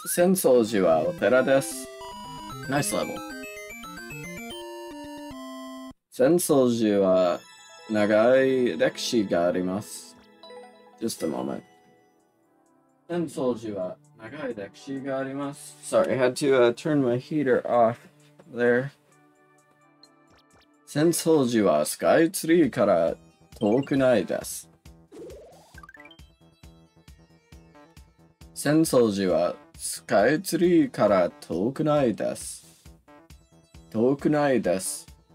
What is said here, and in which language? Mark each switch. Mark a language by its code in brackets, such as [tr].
[ja] 浅草寺はお寺です。 [en] ナイスレベル。 [ja] 浅草寺は長い歴史があります。 [en] Just a moment。 [ja] 浅草寺は長い歴史があります。 [en] Sorry, I had to、turn my heater off there。 [ja] 浅草寺はスカイツリーから遠くないです。浅草寺はスカイツリーから遠くないです。遠くないです。